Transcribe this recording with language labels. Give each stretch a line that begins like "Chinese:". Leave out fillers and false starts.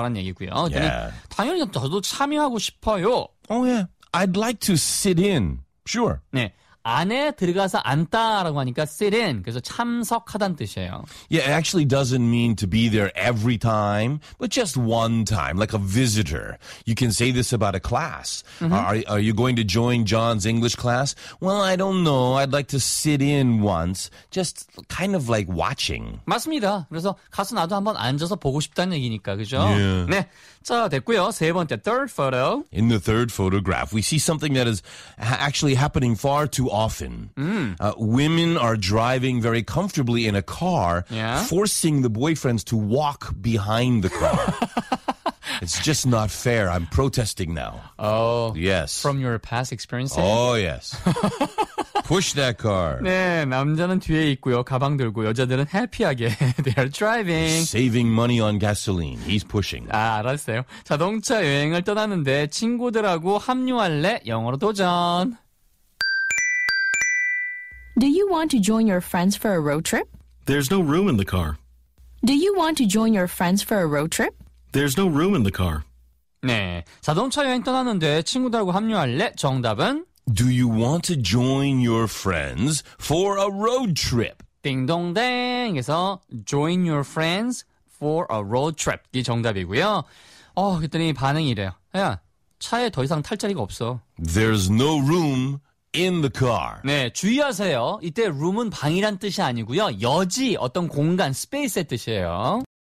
Korean: 라는 얘기고요.
English: Yeah.
Korean: 당연히 저도 참여하고 싶어요.
English: Oh, yeah. I'd like to sit in. Sure.
Korean: 네, 안에 들어가서 앉다라고 하니까
English: sit in.
Korean: 그래서 참석하다는 뜻이에요.
English: Yeah, it actually doesn't mean to be there every time, but just one time, like a visitor. You can say this about a class. Mm-hmm. Are you going to join John's English class? Well, I don't know. I'd like to sit in once, just kind of like watching.
Korean: 맞습니다. 그래서 가서 나도 한번 앉아서 보고 싶다는 얘기니까, 그죠?
English: Yeah.
Korean: 네. 자, 됐고요. 세 번째,
English: third photo. In the third photograph, we see something that is actually happening far too often. Women are driving very comfortably in a car, yeah. forcing the boyfriends to walk behind the car. It's just not fair. I'm protesting now. Oh. Yes. From your past experiences? Oh, yes. Push that car.
Korean: 네, 남자는 뒤에 있고요. 가방 들고 여자들은 해피하게.
English: They are driving. Saving money on gasoline. He's pushing.
Korean: 아, 알았어요. 자동차 여행을 떠났는데 친구들하고 합류할래? 영어로 도전.
English: Do you want to join your friends for a road trip? There's no room in the car. Do you want to join your friends for a road trip? There's no room in the car.
Korean: 네, 자동차 여행 떠났는데 친구들하고 합류할래? 정답은?
English: Do you want to join your friends for a road trip?
Korean: 딩동댕에서
English: join your friends for a road trip
Korean: 이 정답이고요. 그랬더니 반응이 이래요. 야, 차에 더 이상 탈 자리가 없어.
English: There's no room in the car.
Korean: 네, 주의하세요. 이때 room은 방이란 뜻이 아니고요. 여지, 어떤 공간, space의 뜻이에요.